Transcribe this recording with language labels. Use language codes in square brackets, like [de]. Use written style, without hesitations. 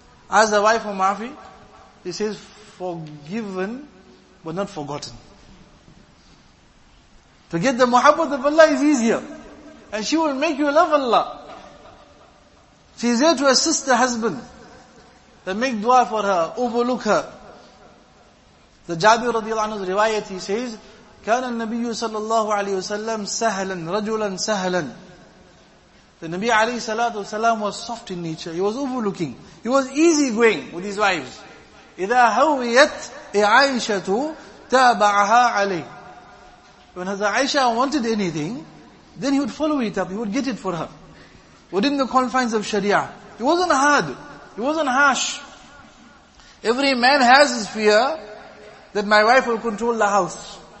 [en] Ask the wife for maafi, he says, forgiven but not forgotten. To get the muhabbat of Allah is easier. And she will make you love Allah. She is there to assist the husband. Then make dua for her, overlook her. The Jabir radiallahu anhu's riwayat, he says, [ar] كان النبي صلى الله عليه وسلم سهلا رجلا سهلا. [en] The Nabi alayhi salatu wasalam was soft in nature. He was overlooking. He was easy going with his wives. [ar] إذا هويت عائشة تابعها عليه. [en] When Aisha wanted anything, then he would follow it up. He would get it for her. Within the confines of Sharia. He wasn't hard. He wasn't harsh. Every man has his fear that my wife will control the house.